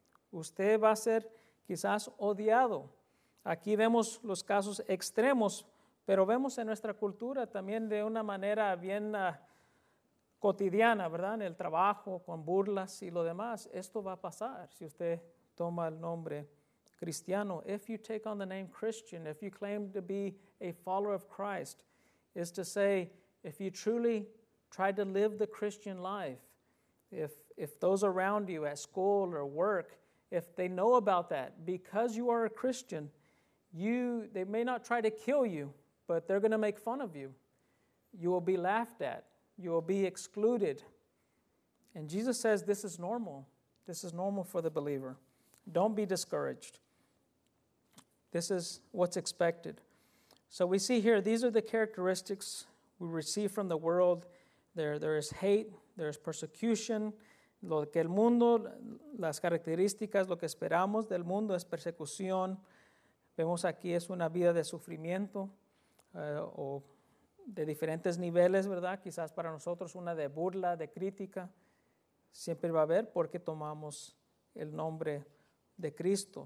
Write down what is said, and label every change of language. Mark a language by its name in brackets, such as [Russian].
[Spanish] Usted va a ser quizás odiado. Aquí vemos los casos extremos, pero vemos en nuestra cultura también de una manera bien cotidiana, ¿verdad? En el trabajo, con burlas y lo demás. Esto va a pasar si usted toma el nombre cristiano. [English] If you take on the name Christian, if you claim to be a follower of Christ, is to say, if you truly try to live the Christian life, if those around you at school or work, if they know about that, because you are a Christian, they may not try to kill you, but they're going to make fun of you. You will be laughed at. You will be excluded. And Jesus says this is normal. This is normal for the believer. Don't be discouraged. This is what's expected. So we see here, these are the characteristics we receive from the world. There is hate, there is persecution. [Spanish] Lo que el mundo, las características, lo que esperamos del mundo es persecución. Vemos aquí es una vida de sufrimiento o de diferentes niveles, ¿verdad? Quizás para nosotros una de burla, de crítica. Siempre va a haber porque tomamos el nombre de Cristo.